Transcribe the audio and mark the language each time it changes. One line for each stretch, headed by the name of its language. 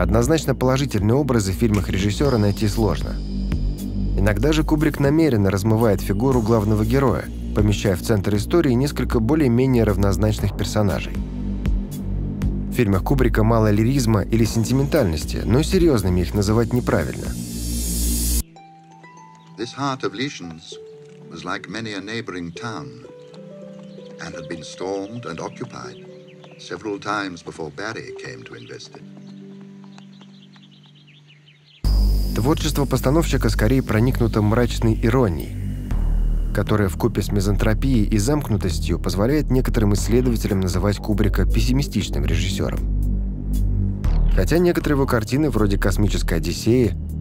Russian: Однозначно положительные образы в фильмах режиссера найти сложно. Иногда же Кубрик намеренно размывает фигуру главного героя, помещая в центр истории несколько более-менее равнозначных персонажей. В фильмах Кубрика мало лиризма или сентиментальности, но серьезными их называть неправильно.
English: This heart of Lesions was like many a neighboring town and had been stormed and occupied several times before Barry came to invest it.
Russian: Творчество постановщика скорее проникнуто мрачной иронией, которая вкупе с мизантропией и замкнутостью позволяет некоторым исследователям называть Кубрика пессимистичным режиссером. Хотя некоторые его картины, вроде «Космической Одиссеи»